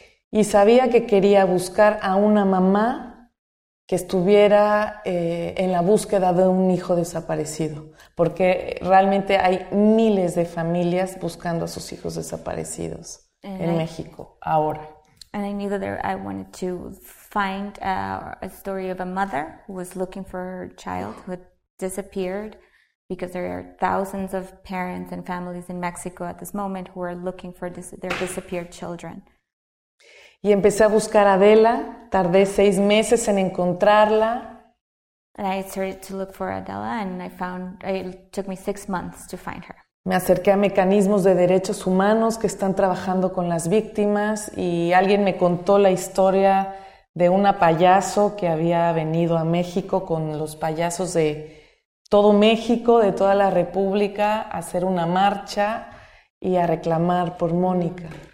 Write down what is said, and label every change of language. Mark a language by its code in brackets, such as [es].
[es] Y sabía que quería buscar a una mamá que estuviera en la búsqueda de un hijo desaparecido, porque realmente hay miles de familias buscando a sus hijos desaparecidos en México ahora. [en] And I knew that I wanted to find a story of a mother who was looking for her child who had disappeared, because there are thousands of parents and families in Mexico at this moment who are looking for their disappeared children. [es] Y empecé a buscar a Adela. Tardé 6 meses en encontrarla. [en] And I started to look for Adela, and it took me 6 months to find her. [es] Me acerqué a mecanismos de derechos humanos que están trabajando con las víctimas y alguien me contó la historia de una payaso que había venido a México con los payasos de todo México, de toda la República, a hacer una marcha y a reclamar por Mónica.